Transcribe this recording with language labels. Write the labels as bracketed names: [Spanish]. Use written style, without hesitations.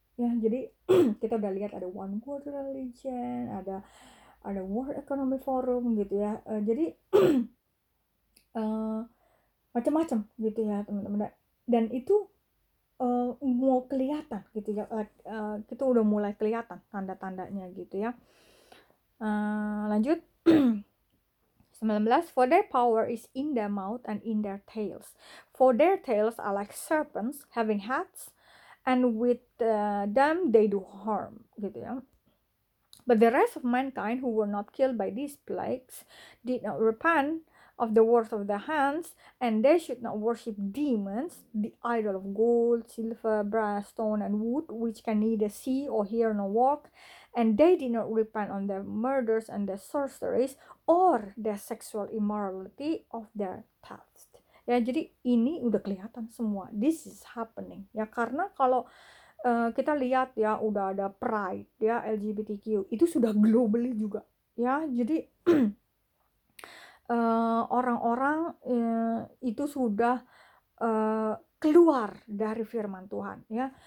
[Indonesian] Ya, jadi kita udah lihat ada One World Religion, ada World Economic Forum gitu ya. Jadi macam-macam gitu ya, teman-teman. Dan itu mau kelihatan gitu ya. Kita udah mulai kelihatan tanda-tandanya gitu ya. Lanjut. [English] 19, for their power is in their mouth and in their tails. For their tails are like serpents having heads, and with them they do harm. [Indonesian] Gitu ya. [English] But the rest of mankind who were not killed by these plagues did not repent of the works of their hands, and they should not worship demons, the idol of gold, silver, brass, stone, and wood, which can neither see or hear nor walk, and they did not repent on their murders and their sorceries or their sexual immorality of their past. [Indonesian] Ya, jadi ini udah kelihatan semua. [English] This is happening. [Indonesian] Ya, karena kalau kita lihat ya, udah ada pride, ya, LGBTQ, itu sudah globally juga. Ya, jadi orang-orang itu sudah keluar dari firman Tuhan, ya.